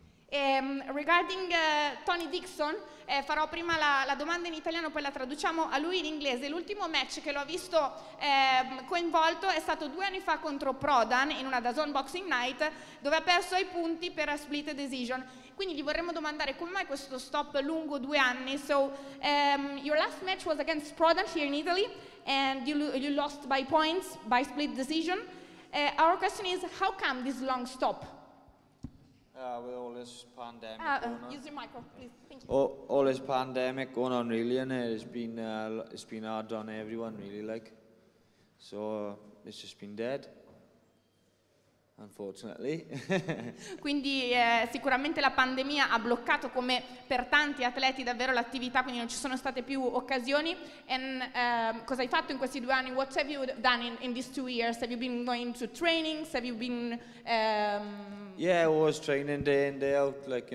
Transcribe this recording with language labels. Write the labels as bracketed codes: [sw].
[en] Regarding [it] Tony Dixon, farò prima la domanda in italiano, poi la traduciamo a lui in inglese. L'ultimo match che l'ho visto coinvolto è stato 2 anni fa contro Prodan in una DAZN Boxing Night, dove ha perso i punti per [en] a split decision. [it] Quindi gli vorremmo domandare come mai questo stop lungo 2 anni. [en] So your last match was against Prodan here in Italy and you lost by points by split decision. Our question is, how come this long stop? With all this pandemic. Use your micro, please. Thank you. All this pandemic going on, really, and it's been hard on everyone, really. So it's just been dead, unfortunately. [it] Quindi sicuramente la pandemia ha bloccato, come per tanti atleti, davvero l'attività. Quindi non ci sono state più occasioni. And cosa hai fatto in questi 2 anni? [en] What have you done in these 2 years? Have you been going to trainings? Have you been? I was training day in day out.